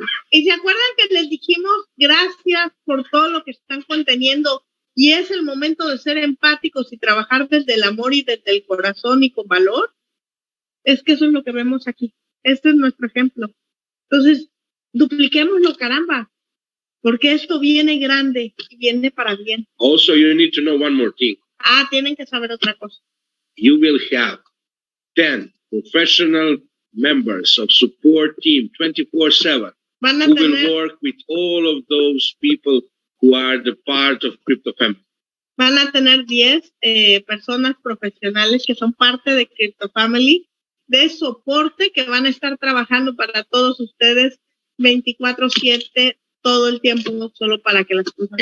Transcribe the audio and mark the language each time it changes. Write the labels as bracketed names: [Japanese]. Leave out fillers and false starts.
[Spanish] Y se acuerdan que les dijimos gracias por todo lo que están conteniendo. Y es el momento de ser empáticos y trabajar desde el amor y desde el corazón y con valor. Es que eso es lo que vemos aquí. Este es nuestro ejemplo. Entonces, dupliquémoslo, caramba. Porque esto viene grande y viene para bien. [English] Also, you need to know one more thing. [Spanish] Ah, tienen que saber otra cosa. [English] You will have 10 professional members of support team 24/7. [Spanish] Van a [English] who will work with all of those people who are the part of Cryptofamily. [Spanish] Van a tener 10 personas profesionales que son parte de Cryptofamily, de soporte, que van a estar trabajando para todos ustedes 24/7 todo el tiempo, no solo para que las cosas.